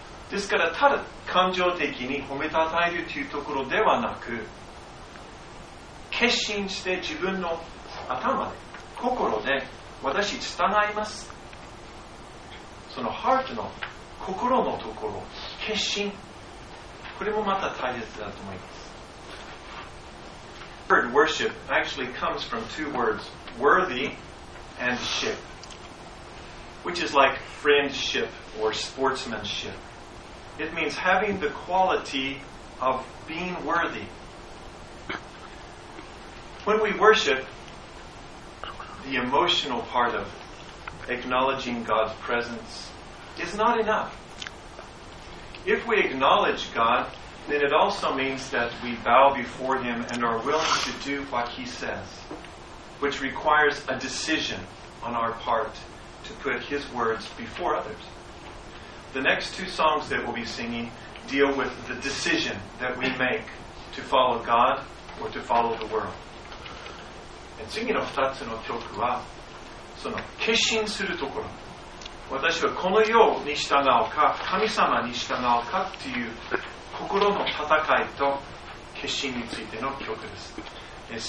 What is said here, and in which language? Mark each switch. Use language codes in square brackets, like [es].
[ja] ですから、ただ感情的に褒めたたえるというところではなく、決心して自分の頭で、心で、私従います。そのハートの心のところ、決心。これもまた大切だと思います。 [en] The word worship actually comes from two words, worthy and ship, which is like friendship or sportsmanship. It means having the quality of being worthy. When we worship, the emotional part of acknowledging God's presence is not enough. If we acknowledge God,then it also means that we bow before Him and are willing to do what He says, which requires a decision on our part to put His words before others. The next two songs that we'll be singing deal with the decision that we make to follow God or to follow the world. [ja] And 次の2つの曲は、その決心するところ。私はこの世に従うか、神様に従うかっていう心の戦いと決心についての曲です。